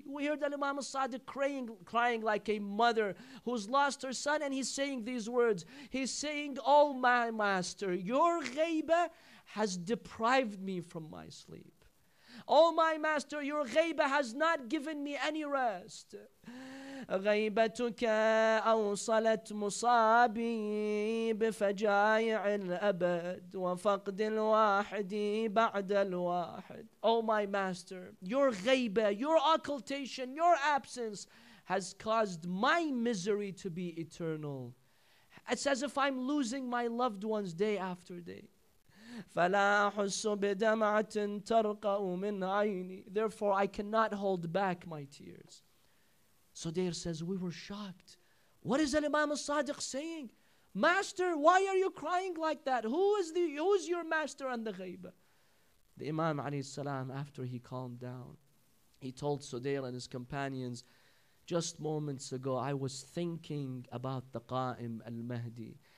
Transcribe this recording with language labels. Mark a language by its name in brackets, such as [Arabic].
[English] We heard the Imam al-Sadiq crying like a mother who's lost her son, and he's saying these words. He's saying, oh my master, your ghaybah has deprived me from my sleep. Oh my master, your ghaybah has not given me any rest. [Arabic] غيبتك أوصلت مصابي بفجايع الأبد وفقد الواحد بعد الواحد. [English] Oh my master, your ghaybah, your occultation, your absence has caused my misery to be eternal. It's as if I'm losing my loved ones day after day. [Arabic] فلا أحس بدمعة ترقى من عيني. [English] Therefore, I cannot hold back my tears. Sudayr says, we were shocked. What is Al-Imam As-Sadiq saying? Master, why are you crying like that? Who is your master on the ghaybah? The Imam alayhi salam, after he calmed down, he told Sudayr and his companions, just moments ago, I was thinking about the Qa'im Al-Mahdi.